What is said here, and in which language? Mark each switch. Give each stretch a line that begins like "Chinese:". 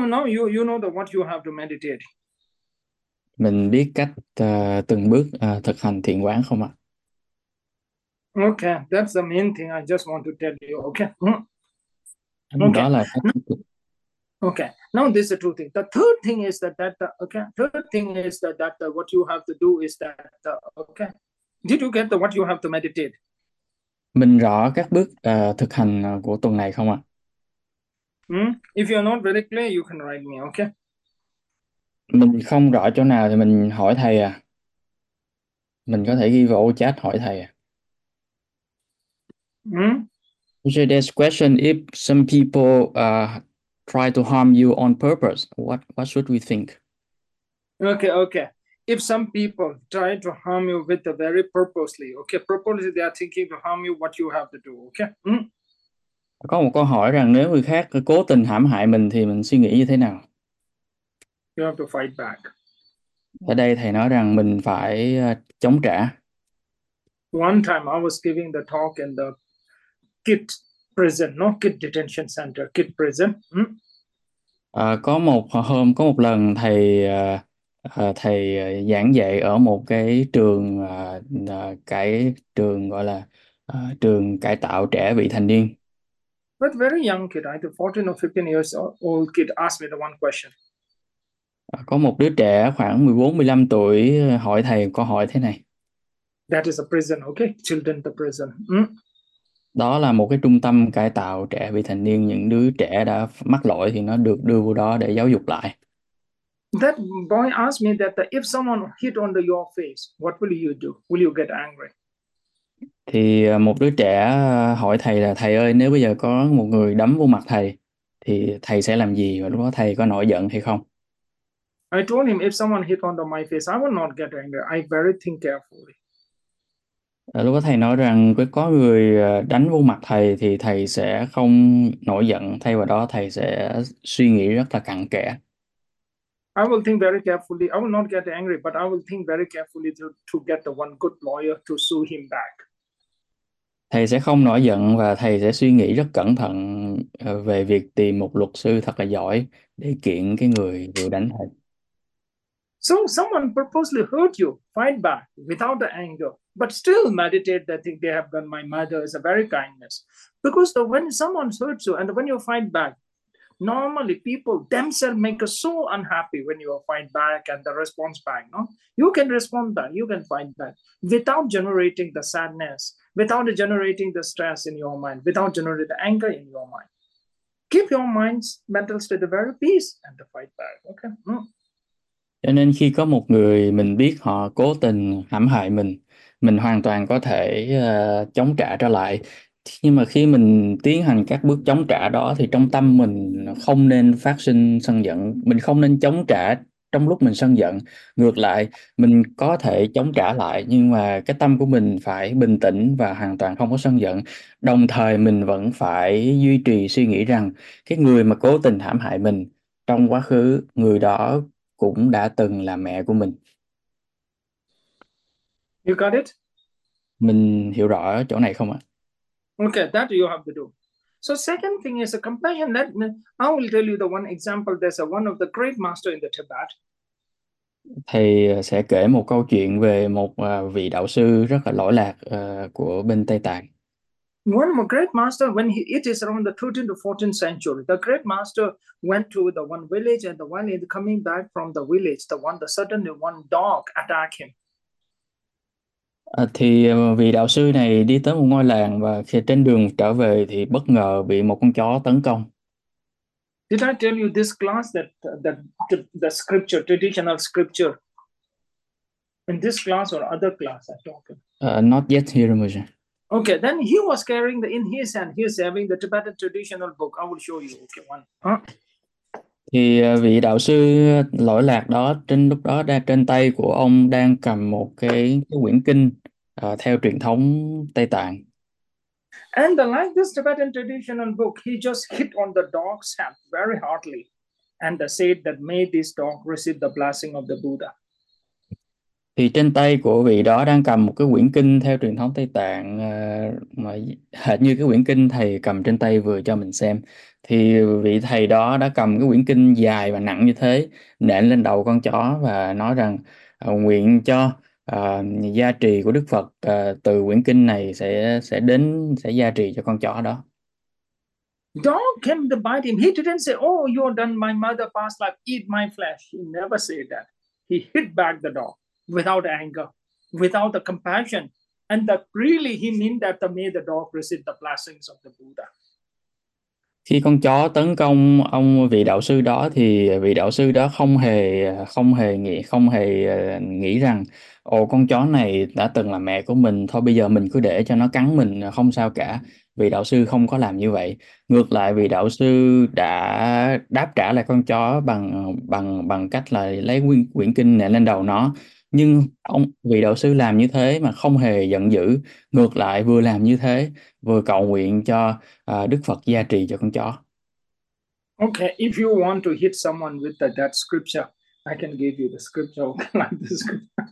English: So now you know that what you have to meditate.
Vietnamese: mình biết cách từng bước thực hành thiền quán không ạ?
English: Okay, that's the main thing I just want to tell you. Okay.
Vietnamese: Đó là
English: Now this is the two things. The third thing is that okay. Third thing is that what you have to do is that okay. Did you get the what you have to meditate?
Vietnamese: Mình rõ các bước thực hành của tuần này không ạ?
English: If you are not very clear, you can write me, okay?
Vietnamese: Mình không rõ chỗ nào thì mình hỏi thầy à. Mình có thể ghi vào chat hỏi thầy à.
English: Usually there's question if some people try to harm you on purpose. What should we think? Okay. If some people try to harm you with the very purposely, okay, purposely they are thinking to harm you, what you have to do, okay?
Vietnamese: Có một câu hỏi rằng nếu người khác cố tình hãm hại mình thì mình suy nghĩ như thế nào?
English: You have to fight back.
Vietnamese: Ở đây thầy nói rằng mình phải chống trả.
English: One time I was giving the talk in the Kit prison, not kid detention center, kid prison.
Vietnamese: Có một hôm có một lần thầy thầy giảng dạy ở một cái trường cái trường gọi là trường cải tạo trẻ vị thành niên.
English: But very young kid, either 14 or 15 years old kid asked me the one question.
Vietnamese: Có một đứa trẻ khoảng 14, 15 tuổi hỏi thầy câu hỏi thế này.
English: That is a prison, okay? Children, the prison.
Vietnamese: Đó là một cái trung tâm cải tạo trẻ vị thành niên. Những đứa trẻ đã mắc lỗi thì nó được đưa vào đó để giáo dục lại.
English: That boy asked me that if someone hit on the your face, what will you do? Will you get angry?
Vietnamese: Thì một đứa trẻ hỏi thầy là thầy ơi, nếu bây giờ có một người đấm vô mặt thầy thì thầy sẽ làm gì và lúc đó thầy có nổi giận hay không?
English: I told him if someone hit on the my face, I will not get angry. I very think carefully.
Vietnamese: Lúc đó thầy nói rằng có người đánh vô mặt thầy thì thầy sẽ không nổi giận, thay vào đó thầy sẽ suy nghĩ rất là cặn kẽ.
English: I will think very carefully. I will not get angry, but I will think very carefully to get the one good lawyer to sue him back.
Vietnamese: Thầy sẽ không nổi giận và thầy sẽ suy nghĩ rất cẩn thận về việc tìm một luật sư thật là giỏi để kiện cái người vừa đánh thầy.
English: So someone purposely hurt you, fight back without the anger, but still meditate that thing they have done my mother is a very kindness. Because the, when someone hurts you and when you fight back, normally, people themselves make us so unhappy when you fight back and the response back. No, you can respond back, you can fight back without generating the sadness, without generating the stress in your mind, without generating the anger in your mind. Keep your mind's mental state of very peace and the fight back. Okay.
Vietnamese: Cho nên khi có một người mình biết họ cố tình hãm hại mình hoàn toàn có thể chống trả trở lại. Nhưng mà khi mình tiến hành các bước chống trả đó thì trong tâm mình không nên phát sinh sân giận, mình không nên chống trả trong lúc mình sân giận. Ngược lại, mình có thể chống trả lại nhưng mà cái tâm của mình phải bình tĩnh và hoàn toàn không có sân giận. Đồng thời mình vẫn phải duy trì suy nghĩ rằng cái người mà cố tình hãm hại mình trong quá khứ, người đó cũng đã từng là mẹ của mình.
English: You got it?
Vietnamese: Mình hiểu rõ chỗ này không ạ?
English: Okay, that you have to do. So second thing is a compassion. That I will tell you the one example. There's a one of the great master in the Tibet.
Vietnamese: Thầy sẽ kể một câu chuyện về một vị đạo sư rất là lỗi lạc của bên Tây Tạng.
English: One of the great master, when he, it is around the 13th to 14th century, the great master went to the one village, and the one is coming back from the village, the one, the suddenly one dog attack him.
Vietnamese: Thì vị đạo sư này đi tới một ngôi làng và khi trên đường trở về thì bất ngờ bị một con chó tấn công.
English: Did I tell you this class that the scripture, traditional scripture, in this class or other class I talk about? Not yet here, Roger. Okay, then he was carrying the in his hand, he is having the Tibetan traditional book. I will show you. Okay, one.
Vietnamese: Thì vị đạo sư lỗi lạc đó trên lúc đó đang trên tay của ông đang cầm một cái quyển kinh theo truyền thống Tây Tạng.
English: And the, like this Tibetan traditional book, he just hit on the dog's hand very heartily and the said that may this dog receive the blessing of the Buddha.
Vietnamese: Thì trên tay của vị đó đang cầm một cái quyển kinh theo truyền thống Tây Tạng mà hệt như cái quyển kinh thầy cầm trên tay vừa cho mình xem. Thì vị thầy đó đã cầm cái quyển kinh dài và nặng như thế nện lên đầu con chó và nói rằng nguyện cho gia trì của Đức Phật từ quyển kinh này sẽ gia trì cho con chó đó.
English: Dog came to bite him. He didn't say, oh, you are done my mother past life, eat my flesh. He never said that. He hit back the dog without anger. without the compassion. And that really he mean that the, may the dog receive the blessings of the Buddha.
Vietnamese: Khi con chó tấn công ông vị đạo sư đó thì vị đạo sư đó không hề nghĩ rằng ồ con chó này đã từng là mẹ của mình, thôi bây giờ mình cứ để cho nó cắn mình không sao cả. Vị đạo sư không có làm như vậy. Ngược lại, vị đạo sư đã đáp trả lại con chó bằng bằng bằng cách là lấy quyển kinh nện lên đầu nó. Nhưng ông vị đạo sư làm như thế mà không hề giận dữ, ngược lại vừa làm như thế vừa cầu nguyện cho Đức Phật gia trì cho con chó.
English: Okay, if you want to hit someone with that scripture, I can give you the scripture like the scripture.